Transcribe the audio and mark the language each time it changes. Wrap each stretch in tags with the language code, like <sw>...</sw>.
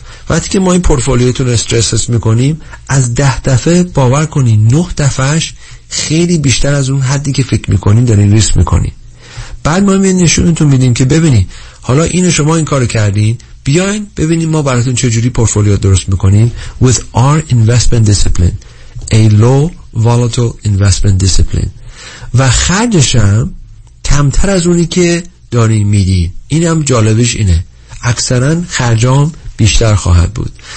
<fa>وقتی که ما این پورتفولیوتون استرس تست میکنیم، از 10 دفعه باور کنین 9 دفعهش خیلی بیشتر از اون حدی که فکر میکنین دارین ریسک میکنین. بعد ما میان نشونتون میدیم که ببینین حالا اینو شما این کارو کردین، بیاین ببینیم ما براتون چجوری پورتفولیو درست میکنیم.</fa> <en>With our investment discipline, a low volatile investment discipline.</en> <fa>و خرجش هم کمتر از اونی که دارین میدین. اینم جالبش اینه، اکثرا خرجام بیشتر خواهد بود.</fa>